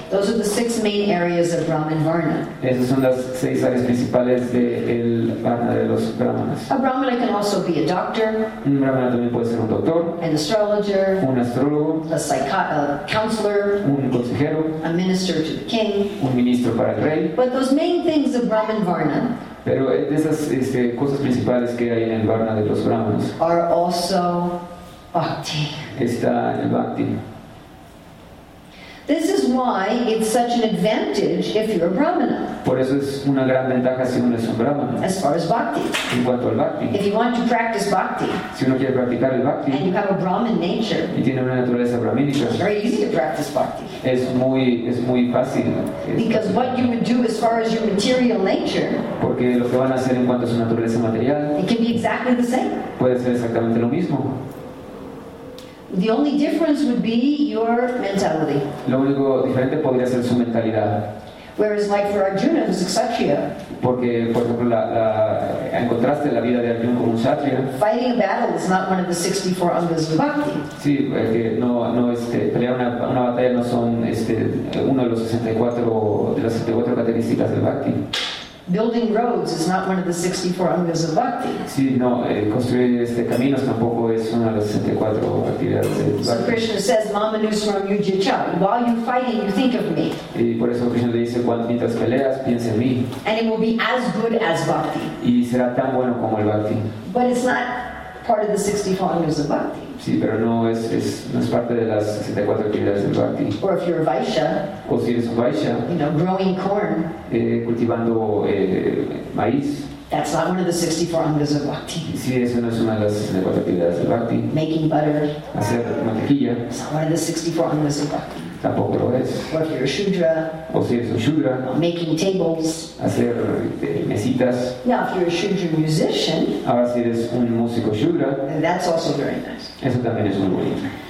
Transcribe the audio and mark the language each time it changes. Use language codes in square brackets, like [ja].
[en] Those are the six main areas of Brahmin varna. [es] Esas son las seis áreas principales del varna de los brahmanas. [en] A brahmana can also be a doctor. [es] Un brahmana también puede ser un doctor. [en] An astrologer. [es] Un astrólogo. [en] A counselor. [es] Un consejero. [en] A minister to the king. [es] Un ministro para el rey. [en] But those main things of Brahmin varna. [es] Pero esas cosas principales que hay en el varna de los brahmanas. [en] Are also bhakti. [es] Está en el bhakti. [en] This is why it's such an advantage if you're a brahmana. [es] Por eso es una gran ventaja si uno es un brahmana. [en] As far as bhakti. [es] En cuanto al bhakti. [en] If you want to practice bhakti. [es] Si uno quiere practicar el bhakti. [en] And you have a brahmin nature. [es] Y tiene una naturaleza brahmínica. [en] It's very easy to practice bhakti. [es] Es muy fácil. [en] Because what you would do as far as your material nature. [es] Porque lo que van a hacer en cuanto a su naturaleza material. [en] It can be exactly the same. [es] Puede ser exactamente lo mismo. [en] The only difference would be your mentality. [es] Lo único diferente podría ser su mentalidad. [en] Whereas, like for Arjuna, who's a kshatriya. [es] Porque, por ejemplo, en contraste, la vida de Arjuna como un kshatriya. [en] Fighting a battle is not one of the 64 angas of bhakti. [es] Sí, porque no, pelear una batalla no son uno de los 64 de las 64 características del bhakti. [en] Building roads is not one of the 64 angas of bhakti. [es] Sí, no, construir caminos tampoco es una de las 64 actividades de bhakti. [en] So Krishna says, [sa] "Mamanusmaram yujcha." [en] While you're fighting, you think of me. [es] Y por eso Krishna le dice, mientras peleas, piensa en mí. [en] And it will be as good as bhakti. [es] Y será tan bueno como el bhakti. [en] But it's not part of the 64 angas of bhakti. [es] Sí, pero no es parte de las 64 actividades del bhakti. [en] Or if you're a vaisha, [es] o si eres un vaisha, [en] growing corn, [es] cultivando maíz. [en] That's not one of the 64 angas of bhakti. [es] Sí, eso no es una de las 64 actividades del bhakti. [en] Making butter, [es] hacer mantequilla. [en] It's not one of the 64 angas of bhakti. [es] Tampoco lo es. [en] Or if you're a shudra, [es] o si eres un shudra, [en] making tables, [es] hacer mesitas. [en] Now, if you're a shudra musician, [es] ahora si eres un músico shudra, [en] then that's also very nice. [es] Eso también es muy bonito.